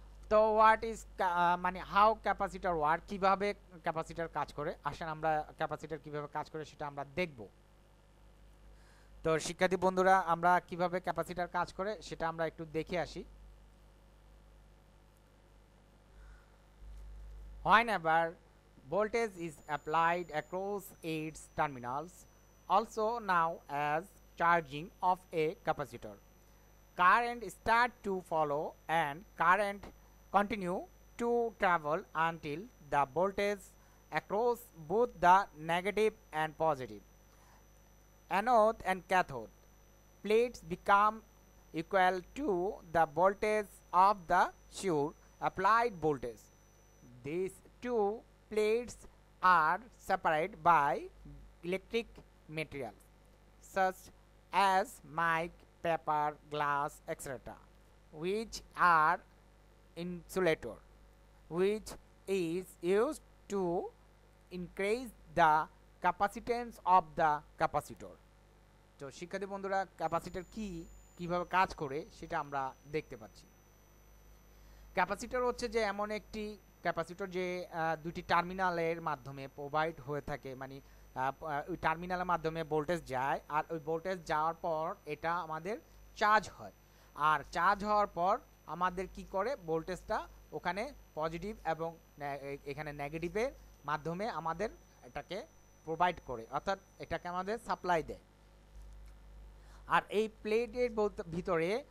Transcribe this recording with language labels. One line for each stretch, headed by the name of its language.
Bangla: তো
English: what is মানে how capacitor work,
Bangla: কীভাবে ক্যাপাসিটার কাজ করে, আসেন আমরা ক্যাপাসিটার কীভাবে কাজ করে সেটা আমরা দেখব। তো শিক্ষার্থী বন্ধুরা, আমরা কীভাবে ক্যাপাসিটার কাজ করে সেটা আমরা একটু দেখে আসি।
English: Whenever voltage is applied across its terminals, also now as charging of a capacitor, current start to flow and current continue to travel until the voltage across both the negative and positive anode and cathode plates become equal to the voltage of the sure applied voltage. These two plates are separated by electric materials such as mic, paper, glass, etc., which are insulator, which is used to increase the capacitance of the capacitor.
Bangla: তো শিক্ষার্থী বন্ধুরা, capacitor কীভাবে কাজ করে সেটা আমরা দেখতে পাচ্ছি। ক্যাপাসিটার হচ্ছে যে এমন একটি ক্যাপাসিটর যে দুটি টার্মিনালের মাধ্যমে প্রোভাইড হয়ে থাকে, মানে ওই টার্মিনালের মাধ্যমে ভোল্টেজ যায়, আর ওই ভোল্টেজ যাওয়ার পর এটা আমাদের চার্জ হয়, আর চার্জ হওয়ার পর আমাদের কি করে ভোল্টেজটা ওখানে পজিটিভ এবং এখানে নেগেটিভের মাধ্যমে আমাদের এটাকে প্রোভাইড করে, অর্থাৎ এটাকে আমাদের সাপ্লাই দেয়। আর এই প্লেটের ভিতরে